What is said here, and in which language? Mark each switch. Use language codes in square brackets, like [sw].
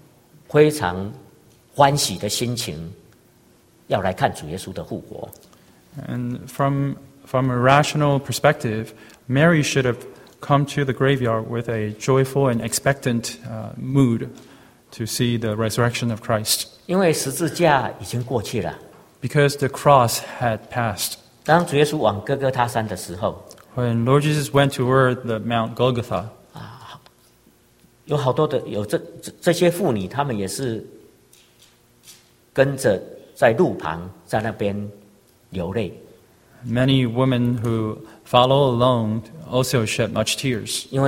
[zh] 其实照说，玛利亚应该是以一个非常欢喜的心情。要来看主耶稣的复活。 [en] And from a rational perspective, Mary should have come to the graveyard with a joyful and expectant mood to see the resurrection of Christ. [zh] 因为十字架已经过去了。 [en] Because the cross had passed. [zh] 当主耶稣往哥哥他山的时候, [en] When Lord Jesus went toward the Mount Golgotha, [zh] 有好多的有这些妇女，她们也是跟着。在路旁，在那边流泪。 [en] Many women who follow along also shed much tears.